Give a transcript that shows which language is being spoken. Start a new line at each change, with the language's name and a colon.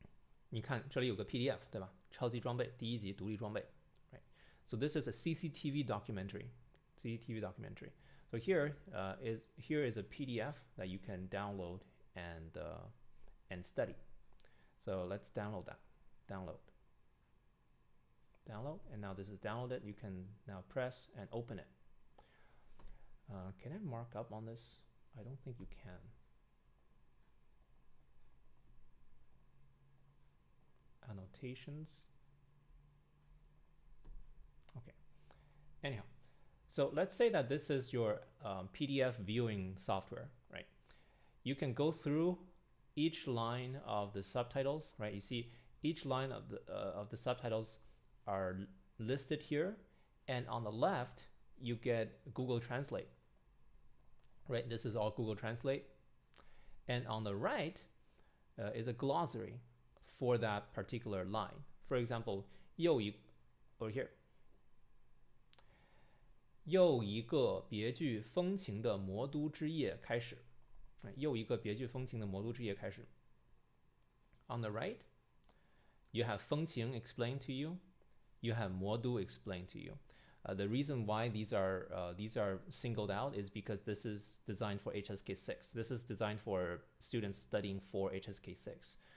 Chinese: 你可以先在这里打开，打开之后，你看这里有个PDF, 对吧？超级装备第一节独立装备, right?
English: So this is a CCTV documentary. CCTV documentary. So here is a PDF that you can download and study. So let's download that. Download. And now this is downloaded. You can now press and open it. Can I mark up on this? I don't think you can. Annotations. Okay. Anyhow, so let's say that this is your PDF viewing software, right? You can go through each line of the subtitles, right? You see each line of the subtitles are listed here. And on the left, you get Google Translate. Right, this is all Google Translate. And on the right is a glossary for that particular line. For example, 又一, over here.
Chinese: 又一个别具风情的魔都之夜开始. Right, 又一个别具风情的魔都之夜开始.
English: On the right, you have 风情 explained to you. You have 魔都 explained to you. The reason why these are singled out is because this is designed for HSK6. This is designed for students studying for HSK6.